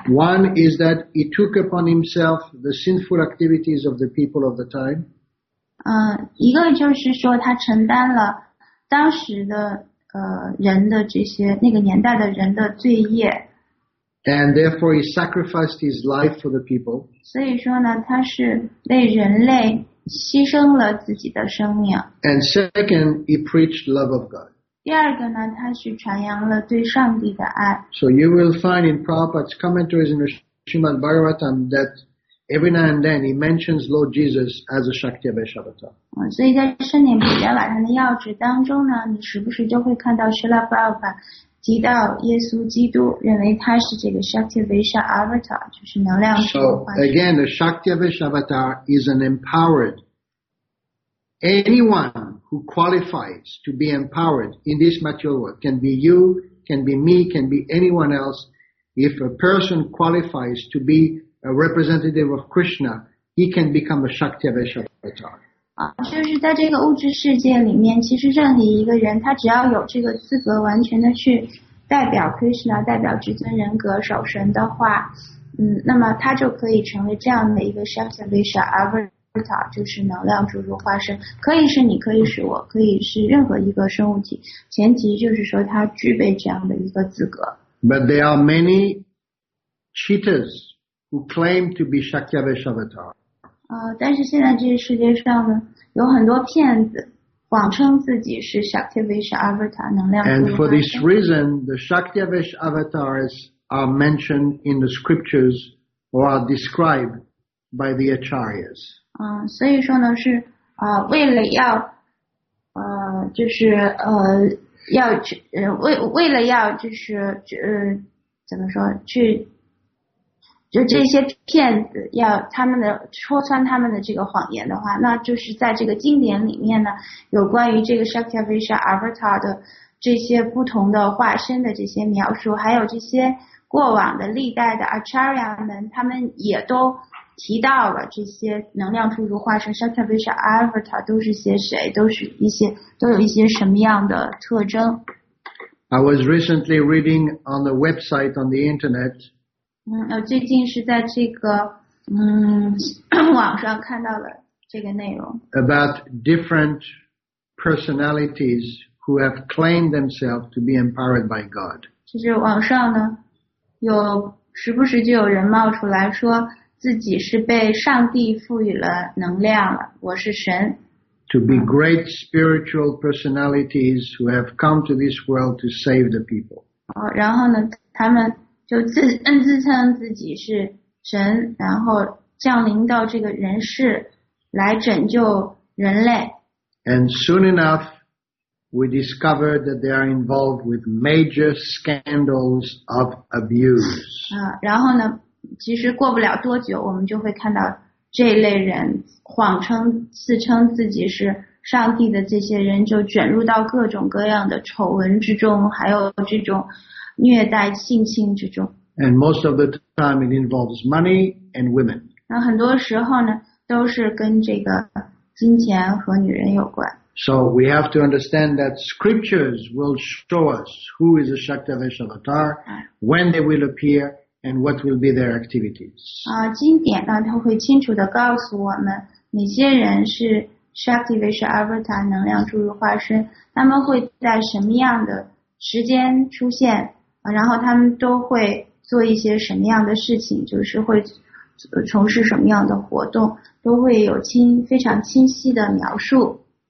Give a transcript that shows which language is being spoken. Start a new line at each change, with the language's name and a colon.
English: One is that he took upon himself the sinful activities of the people of the time.
Chinese: 一个就是说他承担了当时的人的这些那个年代的人的罪业。
English: And therefore he sacrificed his life for the people.
Chinese: 所以说呢，他是为人类牺牲了自己的生命。
English: And second, he preached love of God.
Chinese: 第二个呢，他是传扬了对上帝的爱。
English: So you will find in Prabhupada's commentaries in the Srimad Bhagavatam that every now and then he mentions Lord Jesus as a Shakti Veshavatar.
Chinese: 所以在圣典普贤瓦坦的要旨当中呢，你时不时就会看到 Srila Prabhupada提到耶稣基督，认为他是这个 Shakti Vesha Avatar， 就是能量诸如化身。
English: So again, the Shakti Vesha Avatar is an empowered. Anyone who qualifies to be empowered in this material world can be you, can be me, can be anyone else. If a person qualifies to be a representative of Krishna, he can become a Shakti Vesha Avatar.
Chinese: 就是在这个物质世界里面，其实任何一个人，他只要有这个资格，完全的去代表 Krishna， 代表至尊人格守神的话，那么他就可以成为这样的一个 Shakti Vesha Avatar， 就是能量诸如化身，可以是你，可以是我，可以是任何一个生物体，前提就是说他具备这样的一个资格。
English: But there are many cheaters who claim to be Shakti Vesha Avatar.
Chinese: 但是现在这个世界上呢，有很多骗子谎称自己是 Shakti Vesha Avatar 能量。
English: And for this reason, the Shakti Vesha Avatars are mentioned in the scriptures or are described by the Acharyas.
Chinese: 所以说呢，是为了要就是要为了要就是怎么说去。就这些骗子要他们的戳穿他们的这个谎言的话，那就是在这个经典里面呢，有关于这个 Shakti Vesha Avatar 的这些不同的化身的这些描述，还有这些过往的历代的 Acharya 们，他们也都提到了这些能量诸如化身 Shakti Vesha Avatar 都是些谁，都有一些什么样的特征。
English: I was recently reading on the website on the internet.
Chinese: 最近是在这个网上看到了这个内容。
English: About different personalities who have claimed themselves to be empowered by God.
Chinese: 就是网上呢，有时不时就有人冒出来说自己是被上帝赋予了能量了，我是神。
English: To be great spiritual personalities who have come to this world to save the people.
Chinese: 然后呢，他们。就自称自己是神，然后降临到这个人世来拯救人类。
English: And soon enough, we discovered that they are involved with major scandals of abuse.
Chinese: 然后呢，其实过不了多久，我们就会看到这类人自称自己是上帝的这些人，就卷入到各种各样的丑闻之中，还有这种。虐待性侵之中。
English: And most of the time it involves money and women.
Chinese: 那很多时候呢都是跟这个金钱和女人有关。
English: So we have to understand that scriptures will show us who is a Shakti Vesha Avatar, when they will appear, and what will be their activities.
Chinese: 经典呢它会清楚地告诉我们哪些人是 Shakti Vesha Avatar 能量诸如化身，他们会在什么样的时间出现，然后他们都会做一些什么样的事情，就是会从事什么样的活动，都会有非常清晰的描述。